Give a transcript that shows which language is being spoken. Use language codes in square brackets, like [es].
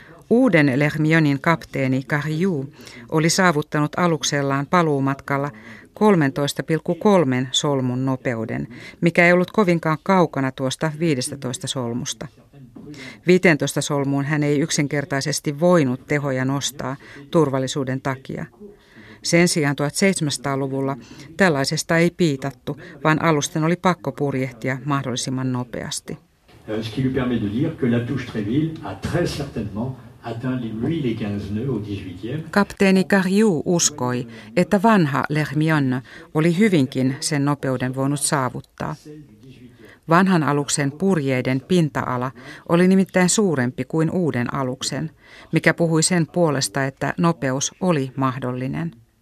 [fi] Uuden Lermionin kapteeni Carriou oli saavuttanut aluksellaan paluumatkalla 13,3 solmun nopeuden, mikä ei ollut kovinkaan kaukana tuosta 15 solmusta. 15 solmuun hän ei yksinkertaisesti voinut tehoja nostaa turvallisuuden takia. Sen sijaan 1700-luvulla tällaisesta ei piitattu, vaan alusten oli pakko purjehtia mahdollisimman nopeasti. [fr] Ce qui lui permet de dire que Latouche Tréville a très certainement atteint lui les 15 nœuds au 18e. [fi] Kapteeni Carriou uskoi, että vanha Lermion oli hyvinkin sen nopeuden voinut saavuttaa. Vanhan aluksen purjeiden pinta-ala oli nimittäin suurempi kuin uuden aluksen, mikä puhui sen puolesta, että nopeus oli mahdollinen.